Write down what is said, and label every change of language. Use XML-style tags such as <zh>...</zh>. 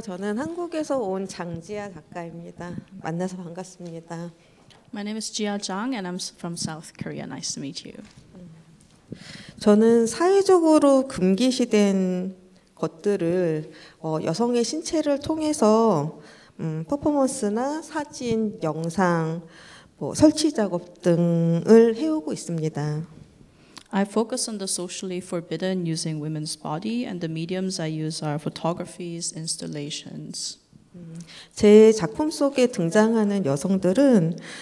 <ko>저는 한국에서 온 장지아 작가입니다. 만나서 반갑습니다.</ko> <en>My name is Jia Zhang and I'm from South Korea. Nice to meet you.</en> <ko>저는 사회적으로 금기시된 것들을 여성의 신체를 통해서 퍼포먼스나 사진, 영상, 뭐 설치 작업 등을 해오고 있습니다.</ko> <en>I focus on the socially forbidden using women's body, and the mediums I use are photographies, installations.</en> <ko>제 작품 속에 등장하는 여성들은</ko>